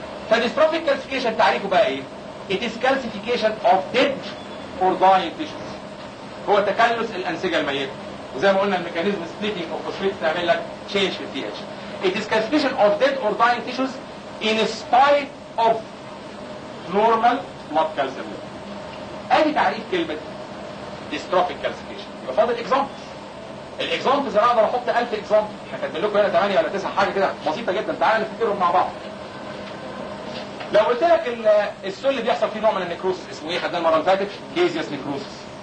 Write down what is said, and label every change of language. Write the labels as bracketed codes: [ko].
[ar] فديستروفيك كالسيفيكيشن تعريفه بقى ايه؟ [en] It is calcification of dead or dying tissues. [ar] هو تكلس الانسجه الميته. وزي ما قلنا الميكانيزم سبليتنج اوف فوسفيت تعمل لك تشينج في البي اتش. [en] It is calcification of dead or dying tissues in spite of normal blood calcium. [ar] ادي تعريف كلمه ديستروفيك كالسيفيكيشن. يبقى فاضل اكزامبلز. الاكزامبلز انا اقدر احط 1000 اكزامبل. احنا كاتبين لكم هنا 8 ولا 9 حاجه كده بسيطه جدا. تعالى نفكرهم مع بعض. لو قلت لك السول اللي بيحصل فيه نوع من النكروسس اسمه ايه خدناه المره اللي فاتت؟ جيزيوس نكروسس.